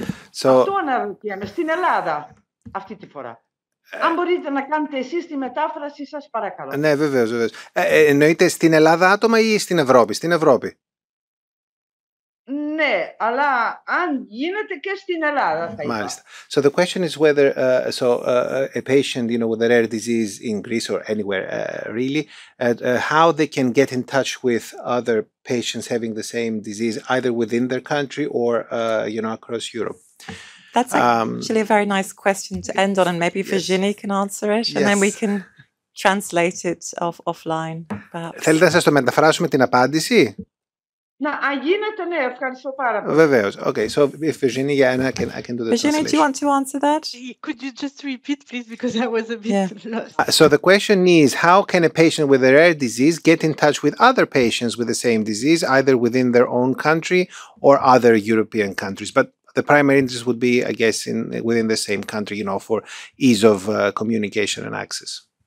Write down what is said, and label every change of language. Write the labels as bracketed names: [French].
[Greek] Αυτό αναρωτιέμαι, στην Ελλάδα αυτή τη φορά. Αν μπορείτε να κάνετε εσείς τη μετάφραση, σας παρακαλώ. Ναι, βεβαίως. Εννοείται στην Ελλάδα άτομα ή στην Ευρώπη? Στην Ευρώπη. Ναι, αλλά αν γίνεται και στην Ελλάδα θα είπα. Μάλιστα. [English] So the question is whether a patient, you know, with a rare disease in Greece or anywhere really, how they can get in touch with other patients having the same disease, either within their country or, you know, across Europe. That's actually a very nice question to end on, and maybe Virginie can answer it, and then we can translate it offline. [Greek] Θέλετε να σας το μεταφράσουμε την απάντηση? Να, αγίνεται, ναι, ευχαριστώ πάρα πολύ. Βεβαίως. [English] Okay, so if Virginie, yeah, and I can do the Virginie, translation. Virginie, do you want to answer that? Could you just repeat, please, because I was a bit lost. So the question is, how can a patient with a rare disease get in touch with other patients with the same disease, either within their own country or other European countries? But the primary interest would be, I guess, within the same country, you know, for ease of communication and access.